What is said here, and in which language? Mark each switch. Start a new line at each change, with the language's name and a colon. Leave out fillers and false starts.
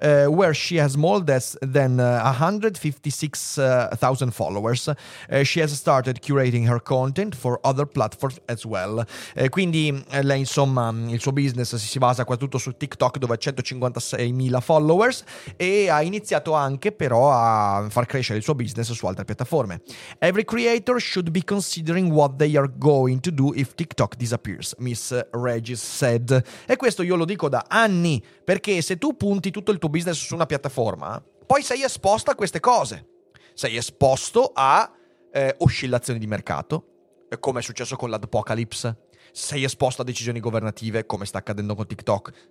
English: where she has more than 156,000 followers. She has started curating her content for other platforms as well.
Italian: Quindi lei, insomma, il suo business si basa quasi tutto su TikTok, dove ha 156,000 followers, e ha iniziato anche però a far crescere il suo business su altre piattaforme.
English: Every creator should be considering what they are going to do if TikTok disappears, Miss Regis said.
Italian: E questo io lo dico da anni, perché se tu punti tutto il tuo business su una piattaforma, poi sei esposto a queste cose. Sei esposto a oscillazioni di mercato, come è successo con l'Adpocalypse. Sei esposto a decisioni governative, come sta accadendo con TikTok.